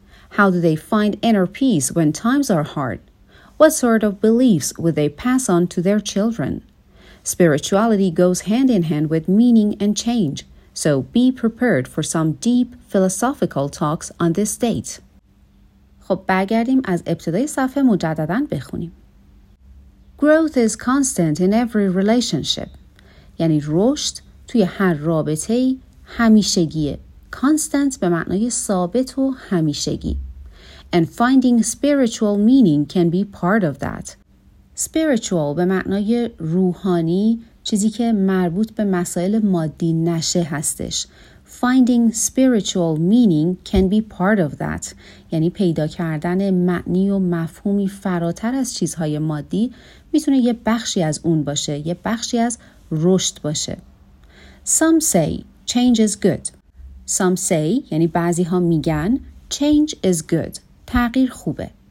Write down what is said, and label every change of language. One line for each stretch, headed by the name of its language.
English: How do they find inner peace when times are hard? What sort of beliefs would they pass on to their children? Spirituality goes hand in hand with meaning and change, so be prepared for some deep philosophical talks on this date.
Persian: خب برگردیم از ابتدای صفحه مجدداً بخونیم.
English: Growth is constant in every relationship.
Persian: یعنی رشد توی هر رابطه همیشگیه. Constant به معنای ثابت و همیشگی.
English: And finding spiritual meaning can be part of that.
Persian: Spiritual به معنای روحانی، چیزی که مربوط به مسائل مادی نشه هستش.
English: Finding spiritual meaning can be part of that.
Persian: یعنی پیدا کردن معنی و مفهومی فراتر از چیزهای مادی میتونه یه بخشی از اون باشه، یه بخشی از رشد باشه.
English: Some say change is good. Some say
Persian: یعنی بعضی ها میگن
English: change is good.
Persian: تغییر خوبه.